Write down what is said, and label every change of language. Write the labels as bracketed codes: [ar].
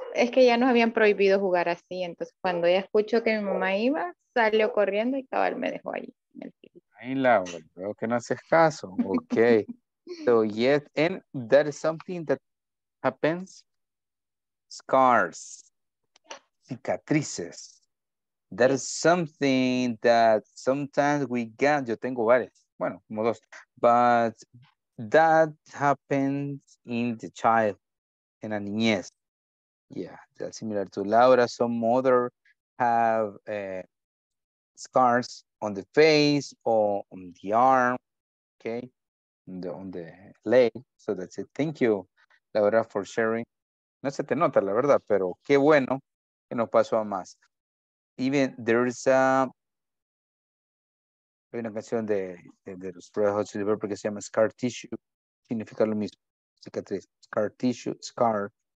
[es] Es que ya nos habían prohibido jugar así, entonces cuando ella escuchó que mi mamá iba, salió corriendo y cabal me dejó ahí. Ahí la veo que no haces caso, okay. [en] So yes, and that is something that happens, scars, cicatrices. That is something that sometimes we get, [es] yo tengo varias, bueno, como dos, [en] but that happens in the child, [es] en la niñez. [en] Yeah, that's similar to Laura. Some mother have scars on the face or on the arm, okay? On the leg, so that's it. Thank you, Laura, for sharing. [es] No se te nota, la verdad, pero qué bueno que nos pasó a más. [en] Even there's a... [es] Hay una canción de los Red Hot Chili Peppers que se llama Scar Tissue. Significa lo mismo. Cicatriz. Scar Tissue. Scar.